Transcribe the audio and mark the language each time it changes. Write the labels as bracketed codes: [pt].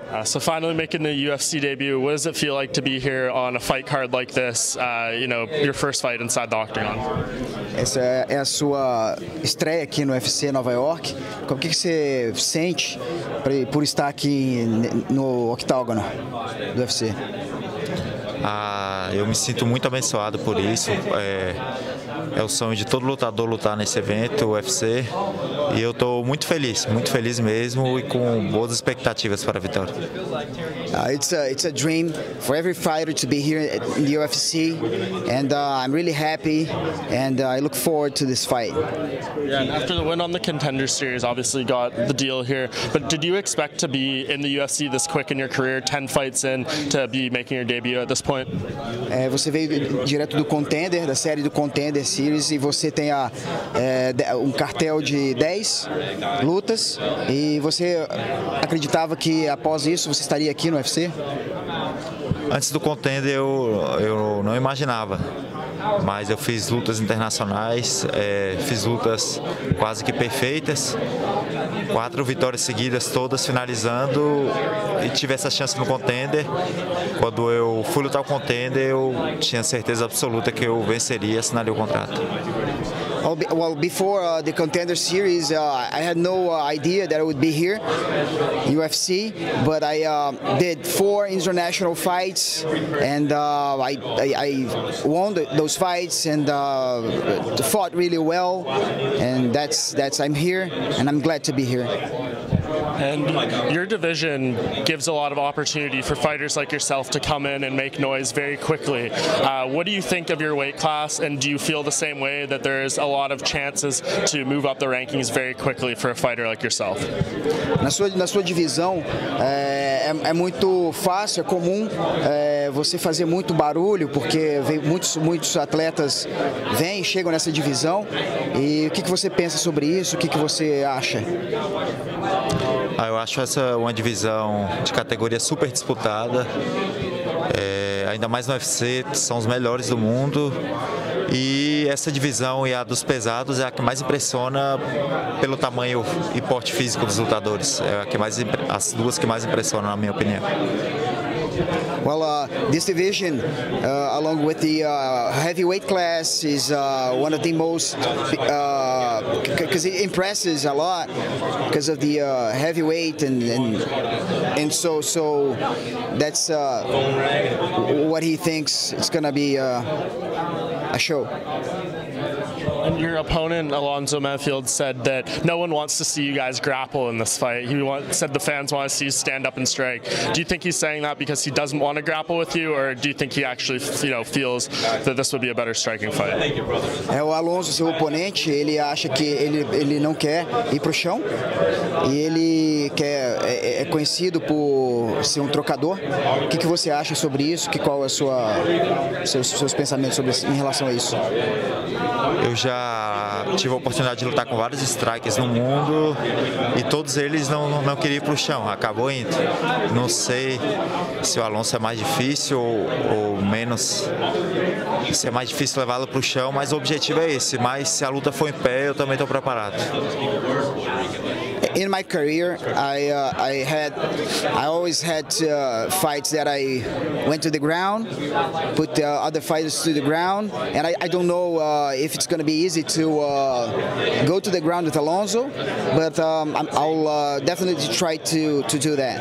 [en] So finally making the UFC debut, what does it feel like to be here on a fight card like this, you know, your first fight inside the octagon? [pt] Essa é a sua estreia aqui no UFC Nova York. Como que você sente por estar aqui no octógono do UFC? Ah, eu me sinto muito abençoado por isso. É o sonho de todo lutador lutar nesse evento, UFC. E eu estou muito feliz mesmo e com boas expectativas para a vitória. [en] It's a dream for every fighter to be here in the UFC, and I'm really happy and I look forward to this fight. Yeah, and after the win on the Contender Series, obviously got the deal here. But did you expect to be in the UFC this quick in your career, 10 fights in, to be making your debut at this point? [pt] Você veio direto do Contender, da série do Contender Series, e você tem cartel de 10 lutas, e você acreditava que após isso você estaria aqui no UFC? Antes do Contender eu não imaginava, mas eu fiz lutas internacionais, fiz lutas quase que perfeitas, 4 vitórias seguidas, todas finalizando, e tive essa chance no Contender. Quando eu fui lutar o Contender, eu tinha certeza absoluta que eu venceria e assinaria o contrato. [en] Well, before the Contender Series, I had no idea that I would be here, UFC, but I did 4 international fights, and I won those fights and fought really well, and that's I'm here, and I'm glad to be here. And your division gives a lot of opportunity for fighters like yourself to come in and make noise very quickly. What do you think of your weight class, and do you feel the same way, that there is a lot of chances to move up the rankings very quickly for a fighter like yourself? [pt] Na sua divisão, é muito fácil, é comum você fazer muito barulho, porque vem muitos atletas vêm e chegam nessa divisão. E o que você pensa sobre isso? O que você acha? Ah, eu acho essa uma divisão de categoria super disputada, ainda mais no UFC, são os melhores do mundo. E essa divisão e a dos pesados é a que mais impressiona pelo tamanho e porte físico dos lutadores. É a que mais, as duas que mais impressionam, na minha opinião. [en] Well, this division, along with the heavyweight class, is one of the most, because it impresses a lot because of the heavyweight and so that's what he thinks it's going to be a show. And your opponent, Alonzo Manfield, said that no one wants to see you guys grapple in this fight. He said the fans want to see you stand up and strike. Do you think he's saying that because he doesn't want to grapple with you, or do you think he actually, you know, feels that this would be a better striking fight? [pt] O Alonzo, seu oponente, ele acha que ele não quer ir pro chão, e ele quer, é conhecido por ser trocador. O que você acha sobre isso? Qual é sua, seus pensamentos sobre, em relação a isso? Eu já tive a oportunidade de lutar com vários strikers no mundo e todos eles não queriam ir para o chão, acabou indo. Não sei se o Alonso é mais difícil ou menos, se é mais difícil levá-lo para o chão, mas o objetivo é esse. Mas se a luta for em pé, eu também estou preparado. [en] In my career, I always had fights that I went to the ground, put the other fighters to the ground, and I don't know if it's going to be easy to go to the ground with Alonzo, but I'll definitely try to do that.